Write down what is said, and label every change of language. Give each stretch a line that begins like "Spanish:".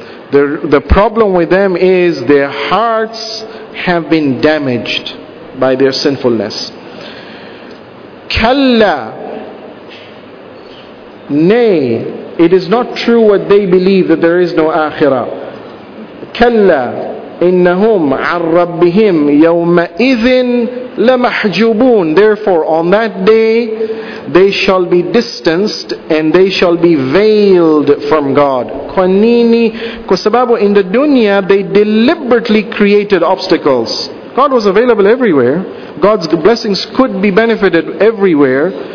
English: The problem with them is their hearts have been damaged by their sinfulness. Kalla, nay. It is not true what they believe, that there is no akhirah. Kalla,
Arabic: إنهم عن ربهم يومئذ لمحجوبون.
English: Therefore, on that day, they shall be distanced and they shall be veiled from God.
Swahili: Kwa nini? Kwa sababu
English: in the dunya, they deliberately created obstacles. God was available everywhere. God's blessings could be benefited everywhere.